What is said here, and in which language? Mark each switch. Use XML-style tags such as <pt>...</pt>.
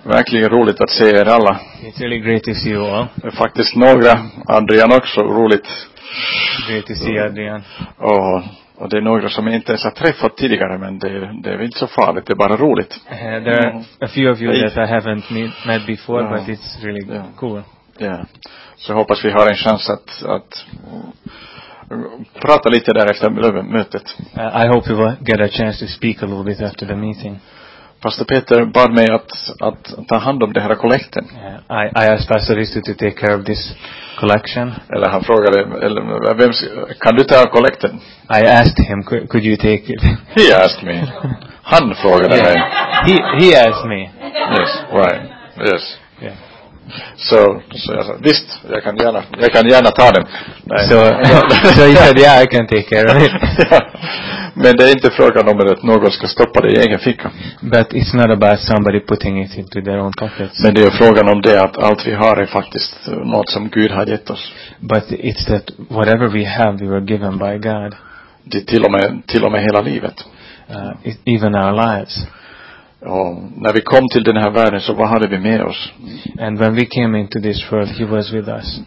<sv>Verkligen roligt att se er alla.</sv> <en>It's really great to see you all.</en> <sv>Faktiskt några, Adrian också, roligt.</sv> <en>Great to see Adrian.</en> <sv>Och det är några som jag inte ens har träffat tidigare, men det är inte så farligt, det är bara roligt.</sv> <en>There are a few of you that I haven't met before, but it's really cool.</en> <sv>Ja, så hoppas vi har en chans att prata lite där efter mötet.</sv> <en>I hope you will get a chance to speak a little bit after the meeting.</en> <sv>Pastor Peter bad mig att ta hand om det här kollekten.</sv> <en>I asked Pastor Risto to take care of this collection.</en> <sv>Eller han frågade, vem kan du ta kollekten?</sv> <en>I asked him, could you take it? He asked me.</en> <sv>Han frågade mig.</sv> <en>He asked me. Yes, right. Yes. Yeah.</en> <sv>Så jag sa, visst, jag kan gärna ta den. Så jag sa, ja,</sv> <en>I can take care of it.</en> <sv>Men det är inte frågan om att någon ska stoppa det i egen ficka.</sv> <en>But it's not about somebody putting it into their own pockets.</en> <sv>Men det är frågan om det att allt vi har är faktiskt något som Gud har gett oss.</sv> <en>But it's that whatever we have, we were given by God.</en> <sv>Det är till och med hela livet.</sv> <en>Even our lives.</en> <sv>Och när vi kom till den här världen, så vad hade vi med oss?</sv> <en>And when we came into this world, he was with us.</en>